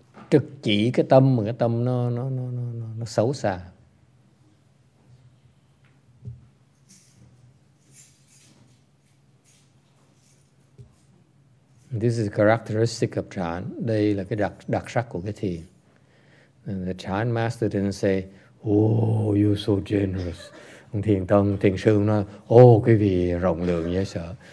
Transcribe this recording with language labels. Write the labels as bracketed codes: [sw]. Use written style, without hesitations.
[vi] Trực chỉ cái tâm mà cái tâm nó xấu xa. [en] This is a characteristic of Chan. [vi] Đây là cái đặc sắc của cái thiền. [en] And the Chan master didn't say, "Oh, you're so generous." [vi] Thiền sư nói, "Oh, quý vị rộng lượng dễ sợ.